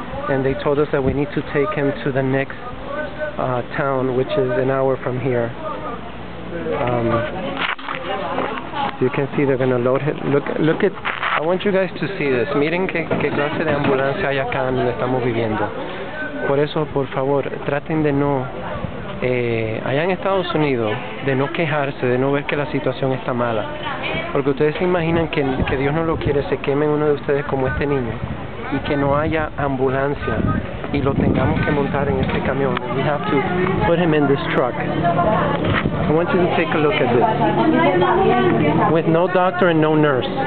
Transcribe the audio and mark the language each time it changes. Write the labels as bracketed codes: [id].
[en] And they told us that we need to take him to the next town, which is an hour from here. You can see they're going to load him. Look at... I want you guys to see this. [es] Miren qué clase de ambulancia hay acá donde estamos viviendo. Por eso, por favor, traten de no... allá en Estados Unidos, de no quejarse, de no ver que la situación está mala. Porque ustedes se imaginan que Dios no lo quiere, se quemen uno de ustedes como este niño. Y que no haya ambulancia. Y lo tengamos que montar en este camión. [en] We have to put him in this truck. I want you to take a look at this. With no doctor and no nurse.